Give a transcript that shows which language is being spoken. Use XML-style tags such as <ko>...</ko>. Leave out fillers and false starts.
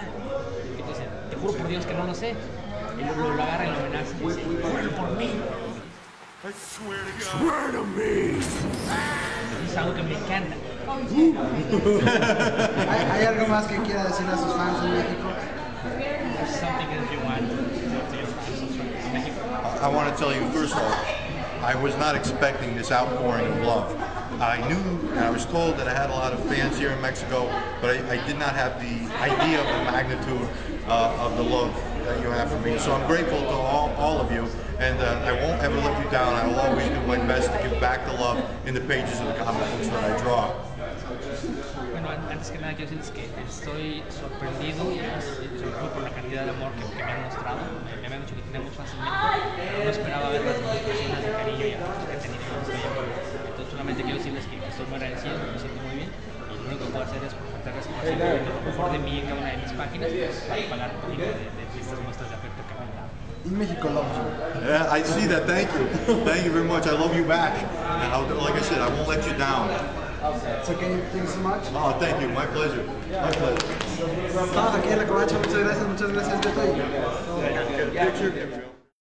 <es>Y dice, te juro por Dios que no lo sé. Y lo agarra y lo amenaza. Y dice, júralo por mí.</es> <en>I swear to me.</en> <es>Es algo que me encanta. ¿Hay algo más que quiera decir a sus fans en México?</es> <en>There's something that you want to do in México. I want to tell you, first of all, I was not expecting this outpouring of love. I knew, and I was told that I had a lot of fans here in Mexico, but I did not have the idea of the magnitude of the love that you have for me. So I'm grateful to all of you. And I won't ever let you down. I will always do my best to give back the love in the pages of the comic books that I draw.</en> <es>Bueno, antes que nada, quiero decirles que estoy sorprendido, sobre todo por la cantidad de amor que me han mostrado. Me han dicho que tiene mucho fascinamiento. No esperaba ver las manifestaciones de cariño y amor que he tenido en este tiempo. Entonces, solamente quiero decirles que estoy muy agradecido, me siento muy bien. Y lo único que puedo hacer es presentarles como siempre, lo mejor de mí en cada una de mis páginas, para pagar un poquito de estas muestras de afecto.</es> <en>In Mexico loves you. Yeah, I see that. Thank you. Thank you very much. I love you back. And like I said, I won't let you down. So can you thank you so much? Oh, thank you. My pleasure. My pleasure.</en> <es>Aquí en la Covacha, muchas gracias. Muchas gracias. Detalle.</es>